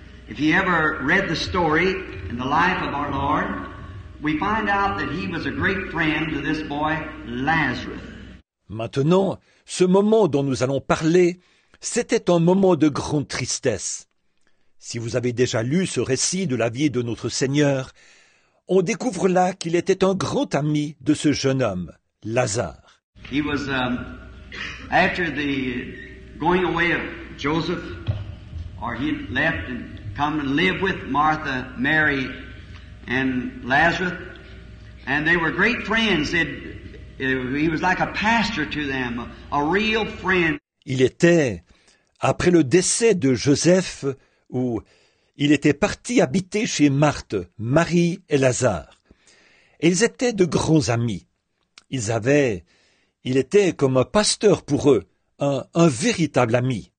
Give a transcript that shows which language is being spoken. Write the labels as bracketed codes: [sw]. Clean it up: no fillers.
[en] If you ever read the story in the life of our Lord, we find out that he was a great friend to this boy, Lazarus. [fr] Maintenant, ce moment dont nous allons parler, c'était un moment de grande tristesse. Si vous avez déjà lu ce récit de la vie de notre Seigneur, on découvre là qu'il était un grand ami de ce jeune homme, Lazare. [en] He was, after the going away of Joseph, or he left and come and live with Martha, Mary, and Lazarus. And they were great friends. He was like a pastor to them, a real friend. [fr] Il était, après le décès de Joseph, où il était parti habiter chez Marthe, Marie et Lazare. Et ils étaient de grands amis. Il était comme un pasteur pour eux, un véritable ami.